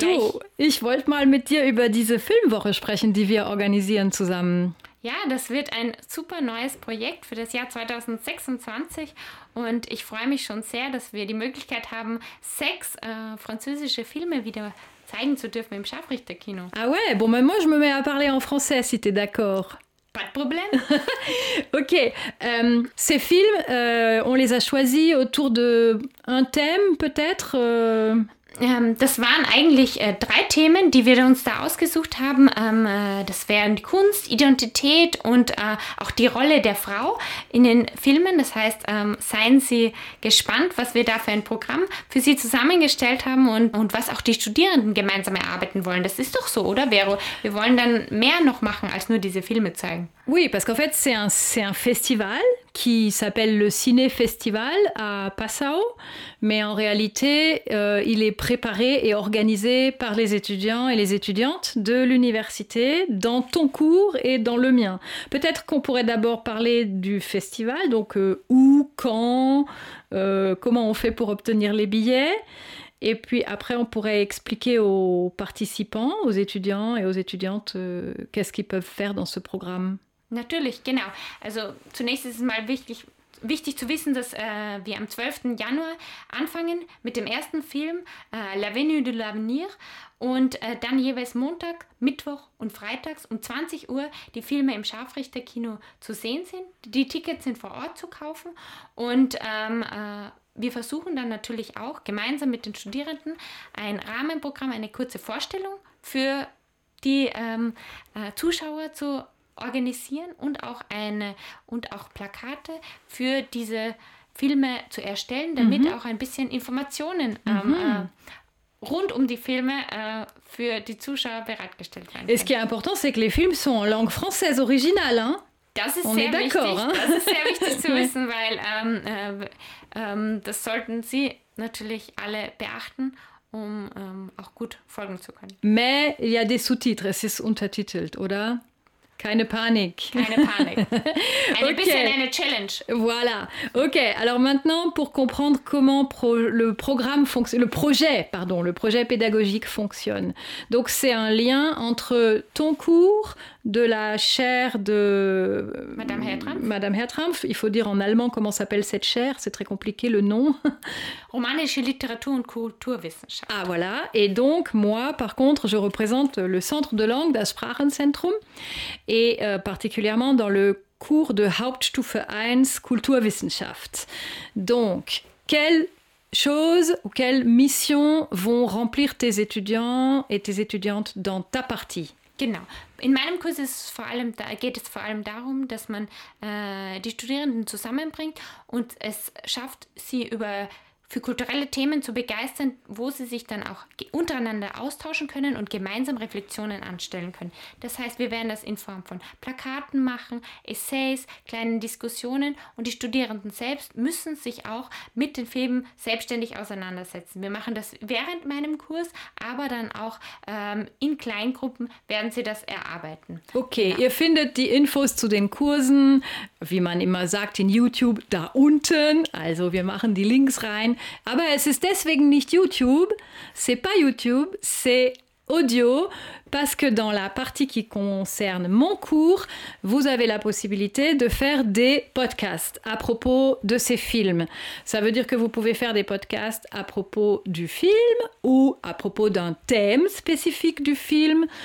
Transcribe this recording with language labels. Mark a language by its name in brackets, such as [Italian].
[German] Du, ich wollte mal mit dir über diese Filmwoche sprechen, die wir organisieren zusammen. Ja, das wird ein super neues Projekt für das Jahr 2026 und ich freue mich schon sehr, dass wir die Möglichkeit haben, 6 französische Filme wieder zeigen zu dürfen im Scharfrichterkino. [French] Ah ouais, bon, mais moi je me mets à parler en français, si t'es d'accord. Pas de problème. Ok, ces films, on les a choisis autour d'un thème peut-être [German] Das waren eigentlich 3 Themen, die wir uns da ausgesucht haben. Das wären Kunst, Identität und auch die Rolle der Frau in den Filmen. Das heißt, seien Sie gespannt, was wir da für ein Programm für Sie zusammengestellt haben und was auch die Studierenden gemeinsam erarbeiten wollen. Das ist doch so, oder Vero? Wir wollen dann mehr noch machen, als nur diese Filme zeigen. [French] Oui, parce qu'en fait, c'est un festival qui s'appelle le Ciné Festival à Passau, mais en réalité, il est préparé et organisé par les étudiants et les étudiantes de l'université dans ton cours et dans le mien. Peut-être qu'on pourrait d'abord parler du festival, donc où, quand, comment on fait pour obtenir les billets. Et puis après, on pourrait expliquer aux participants, aux étudiants et aux étudiantes, qu'est-ce qu'ils peuvent faire dans ce programme. [German] Natürlich, genau. Also zunächst ist es mal wichtig zu wissen, dass wir am 12. Januar anfangen mit dem ersten Film L'Avenue de l'Avenir und dann jeweils Montag, Mittwoch und freitags um 20 Uhr die Filme im Scharfrichterkino zu sehen sind. Die Tickets sind vor Ort zu kaufen und wir versuchen dann natürlich auch gemeinsam mit den Studierenden ein Rahmenprogramm, eine kurze Vorstellung für die Zuschauer zu organisieren und auch Plakate für diese Filme zu erstellen, damit auch ein bisschen Informationen rund um die Filme für die Zuschauer bereitgestellt werden. [French] Ce qui est important, c'est que les films sont en langue française originale, hein? [German] Das ist sehr wichtig. Hein? Das ist sehr wichtig zu wissen, weil das sollten Sie natürlich alle beachten, um auch gut folgen zu können. [French] Mais il y a des sous-titres, [German] es ist untertitelt, oder? Keine Panik. Keine Panik. Ein bisschen eine Challenge. [French] Voilà. Ok, alors maintenant, pour comprendre comment le projet pédagogique fonctionne. Donc, c'est un lien entre ton cours de la chaire de... Madame Hertrampf. Madame Hertrampf. Il faut dire en allemand comment s'appelle cette chaire. C'est très compliqué, le nom. [German] Romanische Literatur und Kulturwissenschaft. [French] Ah, voilà. Et donc, moi, par contre, je représente le centre de langue, das Sprachenzentrum. Et particulièrement dans le cours de Hauptstufe 1 Kulturwissenschaft. Donc, quelle chose ou quelle mission vont remplir tes étudiants et tes étudiantes dans ta partie? [German] Genau. In meinem Kurs ist es vor allem geht es vor allem darum, dass man die Studierenden zusammenbringt und es schafft, sie für kulturelle Themen zu begeistern, wo sie sich dann auch untereinander austauschen können und gemeinsam Reflexionen anstellen können. Das heißt, wir werden das in Form von Plakaten machen, Essays, kleinen Diskussionen und die Studierenden selbst müssen sich auch mit den Filmen selbstständig auseinandersetzen. Wir machen das während meinem Kurs, aber dann auch in Kleingruppen werden sie das erarbeiten. Okay, ja. Ihr findet die Infos zu den Kursen, wie man immer sagt, in YouTube, da unten. Also wir machen die Links rein. Aber es ist deswegen nicht YouTube, [French] c'est pas YouTube, c'est audio, parce que dans la partie qui concerne mon cours, vous avez la possibilité de faire des podcasts à propos de ces films. Ça veut dire que vous pouvez faire des podcasts à propos du film ou à propos d'un thème spécifique du film.